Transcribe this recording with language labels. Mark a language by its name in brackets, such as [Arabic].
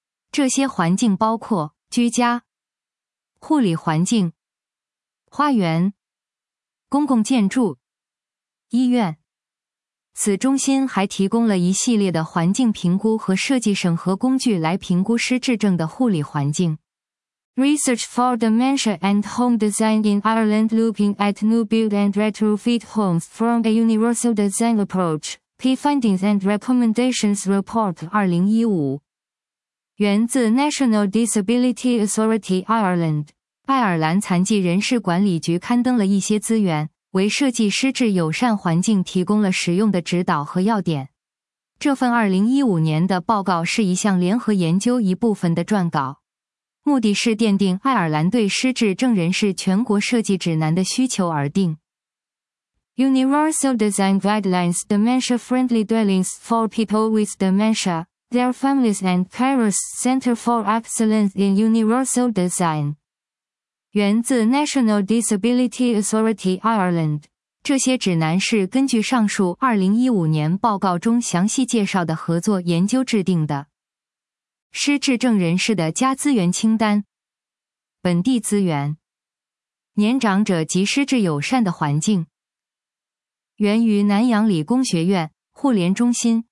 [Chinese] 这些环境包括居家、护理环境、花园、公共建筑、医院。此中心还提供了一系列的环境评估和设计审核工具来评估失智症的护理环境。 [English] Research for Dementia and Home Design in Ireland, looking at new build and retrofit homes from a universal design approach, key findings and recommendations report 2015。 [Chinese] 源自 National Disability Authority Ireland, 爱尔兰残疾人士管理局刊登了一些资源，为设计施制友善环境提供了实用的指导和要点。这份2015年的报告是一项联合研究一部分的撰稿，目的是奠定爱尔兰对失智症人士全国设计指南的需求而定。 [English] Universal Design Guidelines Dementia Friendly Dwellings for People with Dementia. Their Families and Carers Center for Excellence in Universal Design. [Chinese] 源自 [English] National Disability Authority Ireland. [Chinese] 这些指南是根据上述2015年报告中详细介绍的合作研究制定的。失智症人士的家资源清单。本地资源。年长者及失智友善的环境。源于南洋理工学院、互联中心。